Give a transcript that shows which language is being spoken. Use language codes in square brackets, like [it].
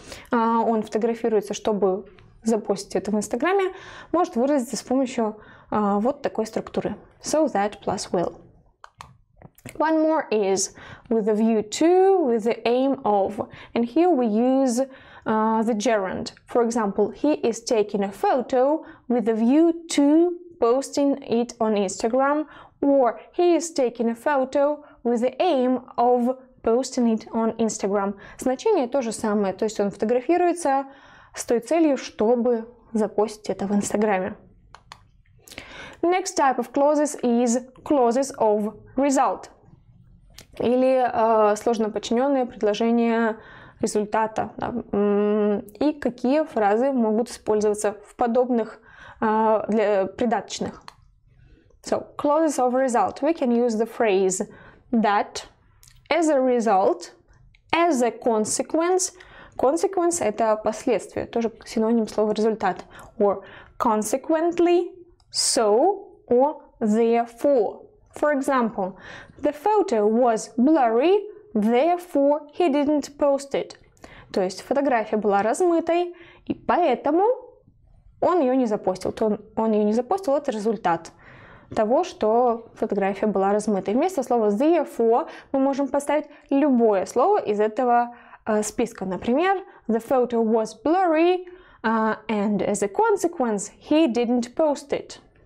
[ru] Он фотографируется, чтобы запостить это в Инстаграме, может выразиться с помощью вот такой структуры. [en] So that plus will. One more is with a view to, with the aim of. And here we use the gerund. For example, he is taking a photo with a view to posting it on Instagram. Or he is taking a photo with the aim of posting it on Instagram. [ru] Значение то же самое. То есть он фотографируется с той целью, чтобы запостить это в Инстаграме. [en] Next type of clauses is clauses of result. [ru] Или сложно подчиненные предложения результата. Да. И какие фразы могут использоваться в подобных для придаточных. [en] So, clauses of result. We can use the phrase that, as a result, as a consequence. [ru] Consequence – это последствия, тоже синоним слова результат. [en] Or consequently, so, or therefore. For example, the photo was blurry, therefore he didn't post it. [ru] То есть фотография была размытой, и поэтому он ее не запостил. То он ее не запостил, это результат того, что фотография была размытой. Вместо слова therefore мы можем поставить любое слово из этого списка. [en] Например, the photo was blurry, and as a consequence, he didn't post it.